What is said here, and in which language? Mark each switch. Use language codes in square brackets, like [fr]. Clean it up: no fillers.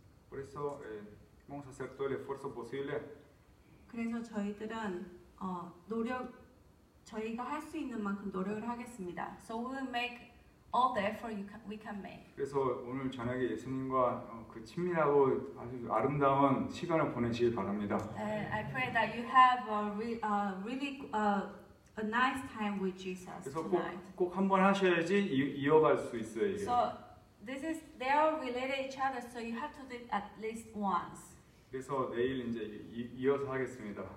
[ko] 그래서 [es] vamos a hacer todo el esfuerzo posible. [ko] 그래서 저희들은 노력 저희가 할 수 있는 만큼 노력을 하겠습니다. [en] So we will make all the effort we can make. [ko] 그래서 오늘 저녁에 예수님과 그 친밀하고 아주 아름다운 시간을 보내시길 바랍니다. [en] I pray that you have a really nice time with Jesus tonight. [ko] 꼭 한번 하셔야지 이어갈 수 있어요. 이게. [en] So this is they are related each other, so you have to do it at least once. [ko] 그래서 내일 이제 이어서 하겠습니다.